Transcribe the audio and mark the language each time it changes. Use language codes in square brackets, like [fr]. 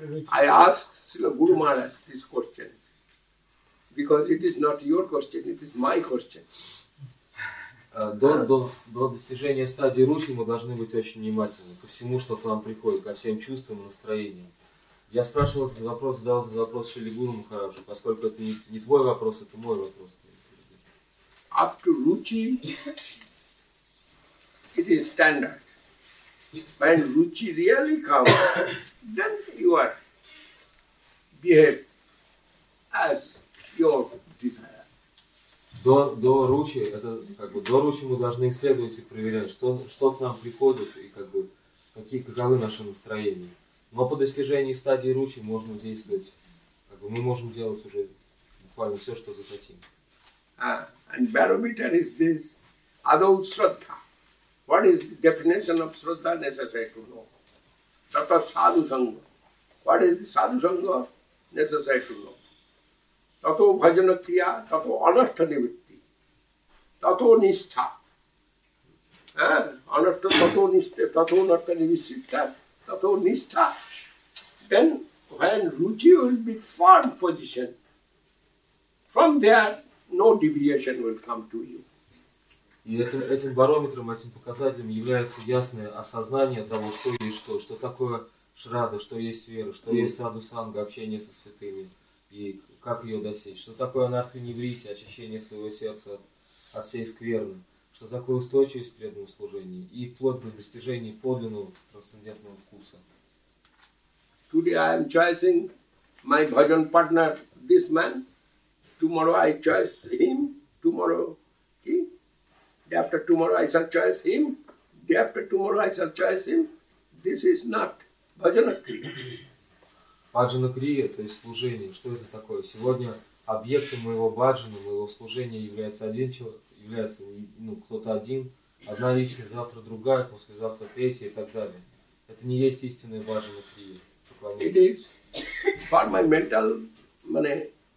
[en] I ask Srila Guru Maharaj this question because it is not your question, it is my question. [ru] До достижения стадии Ручи мы должны быть очень внимательны ко всему, что к нам приходит, ко всем чувствам и настроениям. Я спрашивал этот вопрос, задал этот вопрос Шили Гуру Махараджу, поскольку это не твой вопрос, это мой вопрос. [en] Up to Ruchi, it is standard. When Ruchi really comes, then you are behave as your desire. [ru] До Ручи мы должны исследовать и проверять, что к нам приходит и как бы каковы наши настроения. Но по достижении стадии Ручи можно действовать, как бы мы можем делать уже буквально все, что захотим. [en] And barometer is this adau shraddha. What is the definition of Shraddha necessary to know? [sa] Tata Sadhu Sangha. [en] What is the Sadhu Sangha necessary to know? [sa] Tato Bhajana Kriya, Tato Anastha Nivritti. Tato Nishtha. Anastha Tato Nishtha, Tato Anastha Nivritti, Tato Nishtha. [en] Then when Ruchi will be firm position, from there no deviation will come to you. [ru] И этим барометром, этим показателем является ясное осознание того, что есть что, что такое шрада, что есть вера, что есть саду санга, общение со святыми, и как ее достичь, что такое анартха-неврити, очищение своего сердца от всей скверны. что такое устойчивость преданного служения и плотное достижение подлинного трансцендентного вкуса. [en] Today I am choosing my bhajan partner, this man. Tomorrow I choose him. Tomorrow, he. Day after tomorrow I shall choose him. Day after tomorrow I shall choose him. This is not bhajana kriya. [ru] Bhajana kriya, то есть служение. Что это такое? Сегодня объектом моего баджана, моего служения является один человек, является кто-то один, одна личность, завтра другая, послезавтра третья и так далее. Это не есть истинная баджана крия. [en] It is for my mental money.